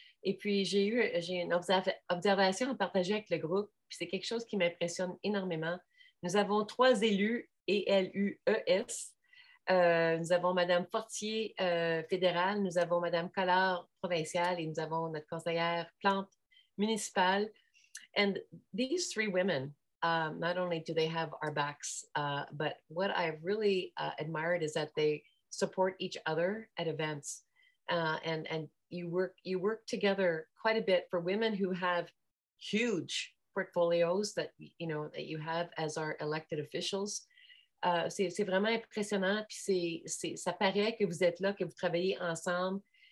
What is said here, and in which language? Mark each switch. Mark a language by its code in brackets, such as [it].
[fr] Et puis, j'ai une observation à partager avec le groupe. Puis c'est quelque chose qui m'impressionne énormément. Nous avons trois élus. ELUES. Nous avons Mme Fortier fédérale, nous avons Mme Collard provinciale et nous avons notre conseillère Plante municipale. [en] And these three women, not only do they have our backs, but what I really admired is that they support each other at events. And you work together quite a bit for women who have huge portfolios that you know that you have as our elected officials. [fr] C'est vraiment impressionnant. Puis c'est ça paraît que vous êtes là, que vous travaillez ensemble.